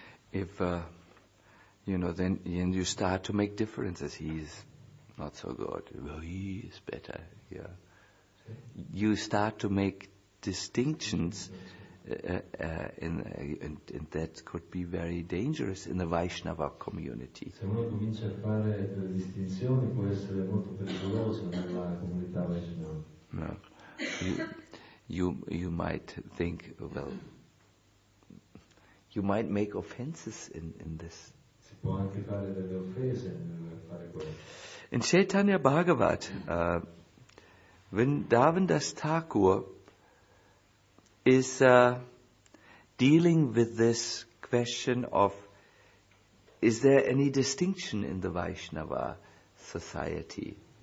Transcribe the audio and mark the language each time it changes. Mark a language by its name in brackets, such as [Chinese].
[English] If you know, then you start to make differences. He is not so good. Well, he is better. Yeah. You start to make distinctions, and that could be very dangerous in the Vaishnava community. [Italian] Se uno comincia a fare delle distinzioni, può essere molto pericoloso nella comunità Vaishnava. [English] No. You might think, well, you might make offenses in this. [Italian] Si può anche fare delle offese nel fare questo. [English] In Chaitanya Bhagavat, Vrindavandas Thakur is dealing with this question of, is there any distinction in the Vaishnava society?